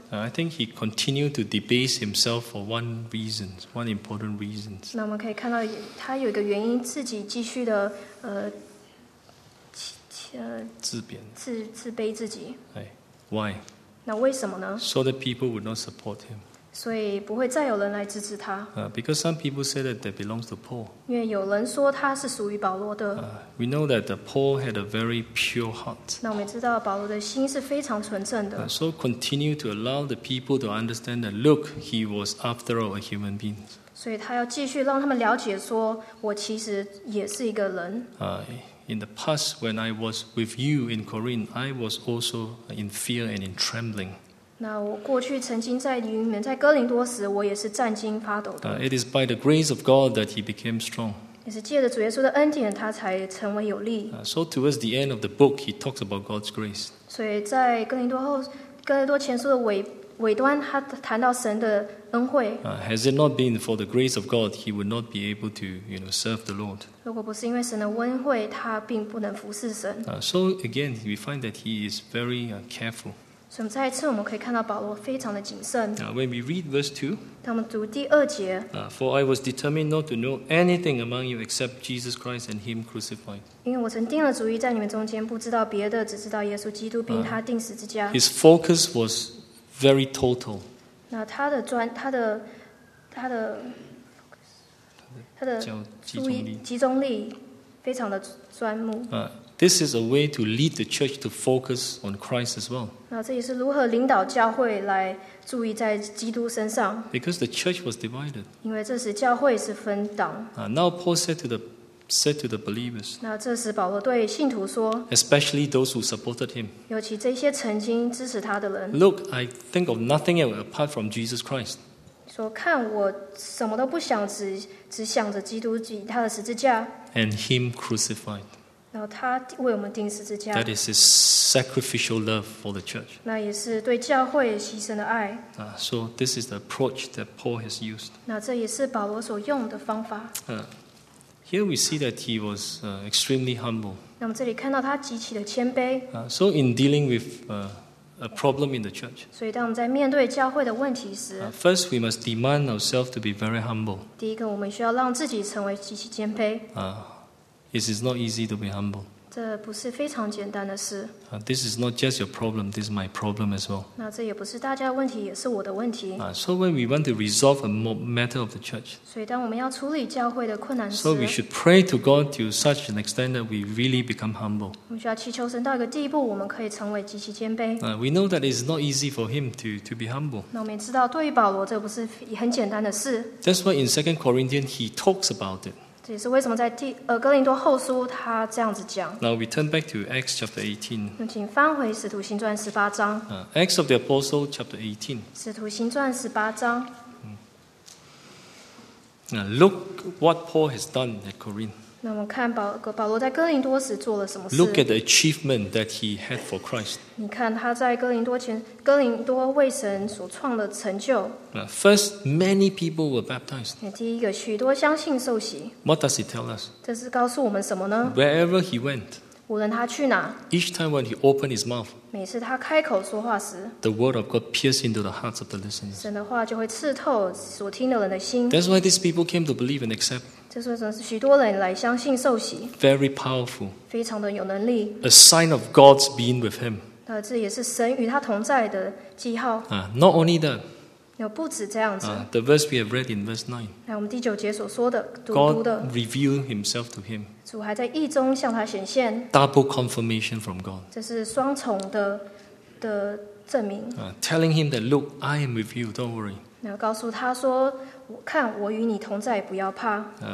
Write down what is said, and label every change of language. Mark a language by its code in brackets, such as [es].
[en] I think he continued to debase himself for one reason, one important reason. [zh] 那我们可以看到他有一个原因，自己继续的, 自贬, 自卑自己。 [en] Why? [zh] 那为什么呢？ [en] So that people would not support him. [zh] 所以不会再有人来支持他。 [en] Because some people say that they belong to Paul. [zh] 因为有人说他是属于保罗的。 [en] We know that Paul had a very pure heart. [zh] 那我们知道保罗的心是非常纯正的。 [en] So continue to allow the people to understand that, look, he was after all a human being. [zh] 所以他要继续让他们了解说我其实也是一个人。 [en] In the past, when I was with you in Corinth, I was also in fear and in trembling. [zh] 那我过去曾经在你们在哥林多时我也是战惊发抖的。 [en] It is by the grace of God that he became strong. [zh] 也是借着主耶稣的恩典他才成为有力。 [en] So towards the end of the book, he talks about God's grace. [zh] 所以在哥林多前书的尾端他谈到神的恩惠。 [en] Has it not been for the grace of God, he would not be able to, you know, serve the Lord. [zh] 如果不是因为神的恩惠，他并不能服侍神。 [en] So again, we find that he is very careful. [zh] 所以我们再一次我们可以看到保罗非常的谨慎。 [en] When we read verse 2, [zh] 当我们读第二节， [en] For I was determined not to know anything among you except Jesus Christ and him crucified. [zh] 因为我曾定了主意在你们中间不知道别的，只知道耶稣基督并他钉十字架。 [en] His focus was very total. [zh] 那他的专，他的他的集中力非常的专目。 [en] This is a way to lead the church to focus on Christ as well. [zh] 那这也是如何领导教会来注意在基督身上。 [en] Because the church was divided. [zh] 因为这时教会是分党。 [en] Now Paul said to the believers. [zh] 那这时保罗对信徒说， [en] especially those who supported him. [zh] 尤其这些曾经支持他的人。 [en] Look, I think of nothing else apart from Jesus Christ. [zh] 说看我什么都不想，只想着基督及他的十字架。 [en] And him crucified. [zh] 然后他为我们钉十字架。 [en] That is his sacrificial love for the church. [zh] 那也是对教会牺牲的爱。 [en] So this is the approach that Paul has used. [zh] 那这也是保罗所用的方法。 [en] Here we see that he was extremely humble. [zh] 那么这里看到他极其的谦卑。 [en] So in dealing with a problem in the church. [zh] 所以当我们在面对教会的问题时， [en] First we must demand ourselves to be very humble. [zh] 第一个，我们需要让自己成为极其谦卑。 [en] This is not easy to be humble. [zh] 这不是非常简单的事。 [en] This is not just your problem. This is my problem as well. [zh] 那这也不是大家的问题，也是我的问题。 [en] So when we want to resolve a matter of the church, [zh] 所以当我们要处理教会的困难时， [en] So we should pray to God to such an extent that we really become humble. [zh] 我们需要祈求神到一个地步，我们可以成为极其谦卑。 [en] We know that it's not easy for him to be humble. [zh] 那我们也知道，对于保罗，这不是很简单的事。 [en] That's why in 2 Corinthians he talks about it. [zh] 这也是为什么在哥林多后书他这样子讲。 [en] Now we turn back to Acts chapter 18. [zh] 那请翻回使徒行传十八章。 [en] Acts of the Apostles chapter 18. [zh] 使徒行传十八章。 [en] Look what Paul has done at Corinth. [zh] 那我们看保罗在哥林多时做了什么事。 [en] Look at the achievement that he had for Christ. [zh] 你看他在哥林多为神所创的成就。 [en] First, many people were baptized. [zh] 第一个，许多相信受洗。 [en] What does it tell us? [zh] 这是告诉我们什么呢？ [en] Wherever he went, [zh] 无论他去哪， [en] each time when he opened his mouth, [zh] 每次他开口说话时， [en] the word of God pierced into the hearts of the listeners. [zh] 神的话就会刺透所听的人的心。 [en] That's why these people came to believe and accept. [zh] 这是为什么是许多人来相信受洗。 [en] Very powerful. [zh] 非常的有能力。 [en] A sign of God's being with him. [zh] 这也是神与他同在的记号。 [en] Not only that. [zh] 不止这样子。 [en] The verse we have read in verse 9. [zh] 来，我们第九节所说的， [en] God revealed himself to him. [zh] 主还在意中向他显现。 [en] Double confirmation from God. [zh] 这是双重的证明。 [en] Telling him that, look, I am with you, don't worry. [zh] 那告诉他说，看我与你同在，不要怕。